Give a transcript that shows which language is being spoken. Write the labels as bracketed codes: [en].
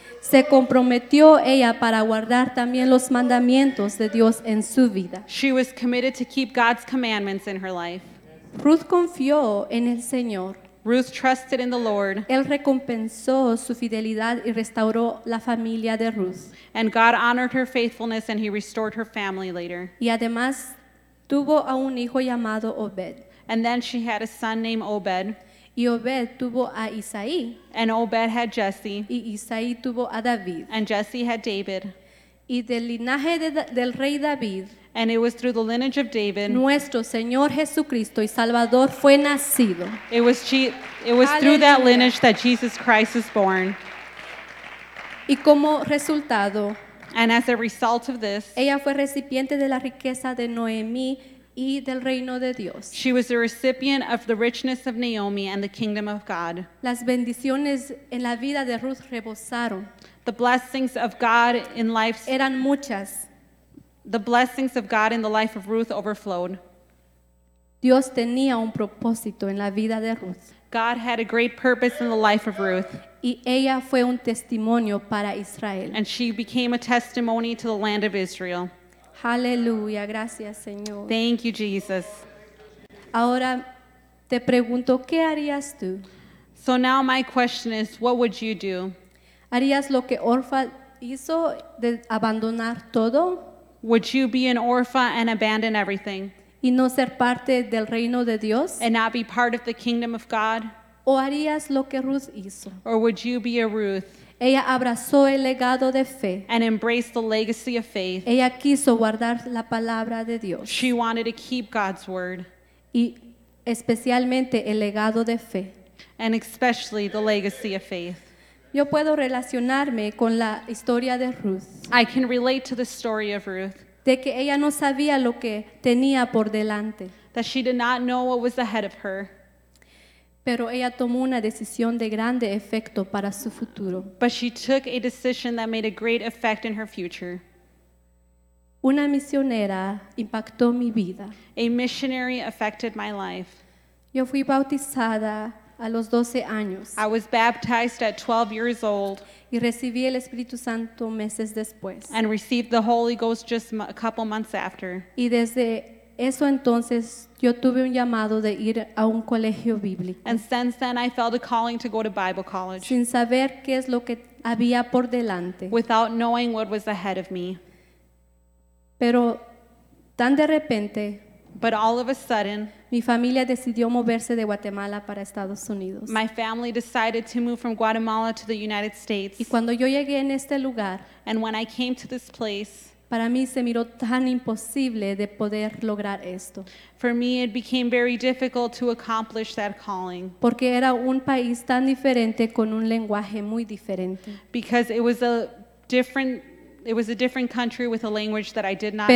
[es] Se comprometió ella para guardar también los mandamientos de Dios en su vida. [en] She was committed to keep God's commandments in her life. [es] Ruth confió en el Señor. [en] Ruth trusted in the Lord. [es] Él recompensó su fidelidad y restauró la familia de Ruth. [en] And God honored her faithfulness and he restored her family later. [es] Y además tuvo a un hijo llamado Obed. [en] And then she had a son named Obed. [es] Y Obed tuvo a Isaí. [en] And Obed had Jesse. [es] Y Isaí tuvo a David. [en] And Jesse had David. [es] Y del linaje del rey David. [en] And it was through the lineage of David. [es] Nuestro Señor Jesucristo y Salvador fue nacido. [en] It was through that lineage that Jesus Christ was born. [es] Y como resultado. [en] And as a result of this. [es] Ella fue recipiente de la riqueza de Noemí. Y del reino de Dios. [en] She was the recipient of the richness of Naomi and the kingdom of God. [es] Las bendiciones en la vida de Ruth rebosaron. [en] The blessings of God in life [es] eran muchas. [en] The blessings of God in the life of Ruth overflowed. [es] Dios tenía un propósito en la vida de Ruth. [en] God had a great purpose in the life of Ruth. [es] Y ella fue un testimonio para Israel. [en] And she became a testimony to the land of Israel. [es] Aleluya, gracias, Señor. [en] Thank you, Jesus. [es] Ahora te pregunto, ¿qué harías tú? [en] So now my question is, what would you do? [es] ¿Harías lo que Orfa hizo de abandonar todo? [en] Would you be an Orfa and abandon everything? [es] ¿Y no ser parte del reino de Dios? [en] And not be part of the kingdom of God? [es] ¿O harías lo que Ruth hizo? [en] Or would you be a Ruth? [es] Ella abrazó el legado de fe. [en] And embraced the legacy of faith. [es] Ella quiso guardar la palabra de Dios. [en] She wanted to keep God's word. [es] Y especialmente el legado de fe. [en] And especially the legacy of faith. [es] Yo puedo relacionarme con la historia de Ruth. [en] I can relate to the story of Ruth. [es] De que ella no sabía lo que tenía por delante. [en] That she did not know what was ahead of her. [es] Pero ella tomó una decisión de grande efecto para su futuro. [en] But she took a decision that made a great effect in her future. [es] Una misionera impactó mi vida. [en] A missionary affected my life. [es] Yo fui bautizada a los 12 años. [en] I was baptized at 12 years old. [es] Y recibí el Espíritu Santo meses después. [en] And received the Holy Ghost just a couple months after. [es] Y desde eso entonces yo tuve un llamado de ir a un colegio bíblico. [en] And since then I felt a calling to go to Bible college. [es] Sin saber qué es lo que había por delante. [en] Without knowing what was ahead of me. [es] Pero tan de repente, [en] but all of a sudden, [es] mi familia decidió moverse de Guatemala para Estados Unidos. [en] My family decided to move from Guatemala to the United States. [es] Y cuando yo llegué en este lugar, [en] and when I came to this place, [es] para mí se miró tan imposible de poder lograr esto. [en] For me, it became very difficult to accomplish that calling. [es] Porque era un país tan diferente con un lenguaje muy diferente. [en] Because it was a different. It was a different country with a language that I did not